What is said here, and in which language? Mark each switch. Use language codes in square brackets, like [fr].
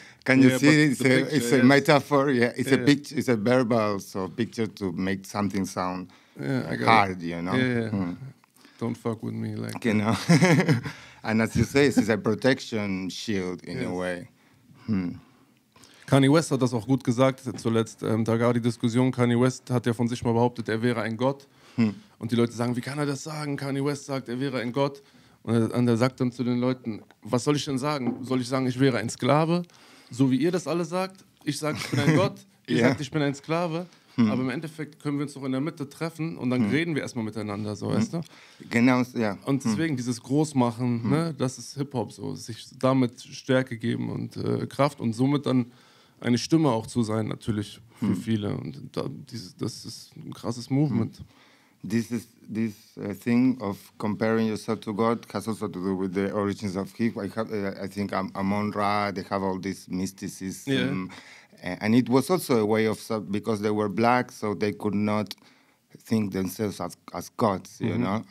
[en] Can you see? It's a metaphor, it's a picture, it's a verbal picture to make something sound hard, you know? Yeah. Don't fuck with me, like... You know? And as you say, it's a protection shield in a way. [de] Kanye West hat das auch gut gesagt zuletzt. Da gab die Diskussion, Kanye West hat ja von sich mal behauptet, er wäre ein Gott. Und die Leute sagen, wie kann er das sagen? Kanye West sagt, er wäre ein Gott. Und er sagt dann zu den Leuten, was soll ich denn sagen? Soll ich sagen, ich wäre ein Sklave? So wie ihr das alle sagt. Ich sage, ich bin ein Gott. Ihr sagt, ich bin ein Sklave. Aber im Endeffekt können wir uns doch in der Mitte treffen und dann reden wir erstmal miteinander, so, weißt du? Genau, ja. Und deswegen dieses Großmachen, ne, das ist Hip-Hop so. Sich damit Stärke geben und Kraft und somit dann eine Stimme auch zu sein, natürlich für viele. Und da, das ist ein krasses Movement. [en] This thing of comparing yourself to God has also to do with the origins of hip-hop. I think Amon Ra, they have all this mysticism. Yeah. And it was also a way of, because they were black, so they could not think themselves as gods, you know?